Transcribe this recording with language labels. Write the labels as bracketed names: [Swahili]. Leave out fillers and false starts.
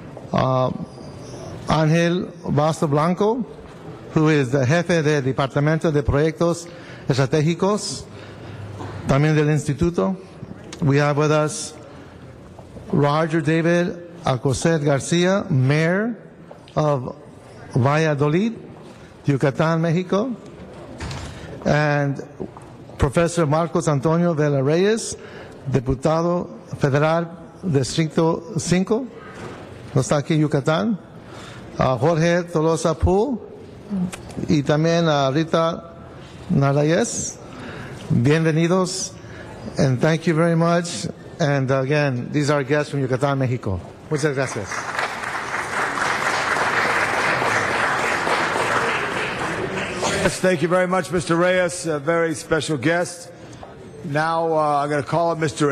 [Spanish] Ángel Basto Blanco, [English] who is the [Spanish] Jefe del Departamento de Proyectos Estratégicos, también del Instituto. [English] We have with us Roger David Alcocer Garcia, Mayor of Valladolid, Yucatan, Mexico, and Professor Marcos Antonio Vela Reyes, [Spanish] Diputado Federal Distrito 5, no está aquí en Yucatán, Jorge Tolosa Poole, y también a Rita Narayez. Bienvenidos, [English] and thank you very much. And again, these are guests from Yucatán, Mexico. [Spanish] Muchas gracias. [English] Yes, thank you very much, Mr. Reyes, a very special guest. Now I'm going to call up Mr.